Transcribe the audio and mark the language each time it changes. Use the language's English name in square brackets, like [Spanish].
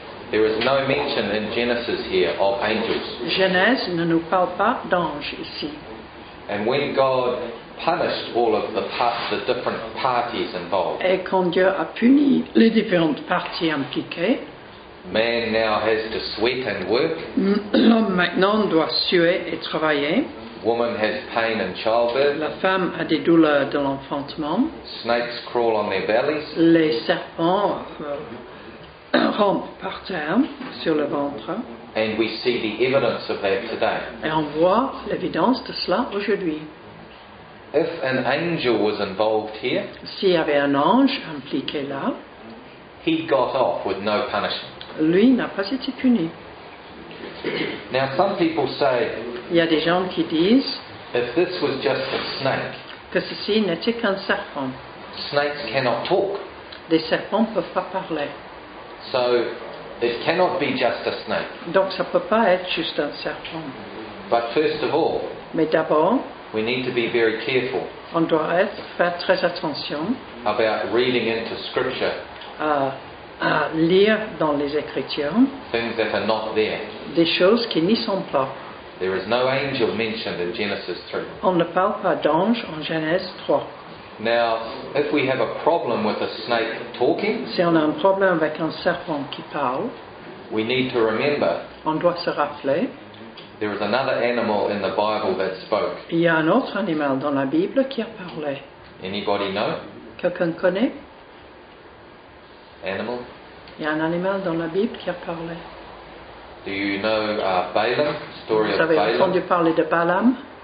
[English] There is no mention in Genesis here of angels. [French] Genèse ne nous parle pas d'ange ici. [English] And when God punished all of the different parties involved, [French] et quand Dieu a puni les différentes parties impliquées, [English] man now has to sweat and work. [French] L'homme maintenant doit suer et travailler. [English] Woman has pain in childbirth. [French] La femme a des douleurs de l'enfantement. [English] Snakes crawl on their bellies. [French] Les serpents rampent par terre sur le ventre. [English] And we see the evidence of that today. [French] Et on voit l'évidence de cela aujourd'hui. [English] If an angel was involved here, [French] s'il y avait un ange impliqué là, [English] he got off with no punishment. [French] Lui n'a pas été puni. [English] Now some people say, [French] il y a des gens qui disent, [English] if this was just a snake, [French] que ceci n'était qu'un serpent. [English] Snakes cannot talk. [French] Les serpents ne peuvent pas parler. [English] So it cannot be just a snake. [French] Donc ça ne peut pas être juste un serpent. [English] But first of all, [French] mais d'abord, [English] we need to be very careful. [French] On doit faire très attention [English] about reading into scripture. [French] À lire dans les Écritures [English] things that are not there. [French] Des choses qui n'y sont pas. [English] There is no angel mentioned in Genesis 3. [French] On ne parle pas d'ange en Genèse 3. [English] Now, if we have a problem with a snake talking, [French] si on a un problème avec un serpent qui parle, [English] we need to remember, [French] on doit se rappeler, [English] there is another animal in the Bible that spoke. [French] Il y a un autre animal dans la Bible qui a parlé. [English] Anybody know? [French] Quelqu'un connaît? [English] Animal? [French] Il y a un animal dans la Bible qui a parlé. [English] Do you know Balaam? Story [French] vous avez [English] of Balaam? [French] Entendu parler de Balaam?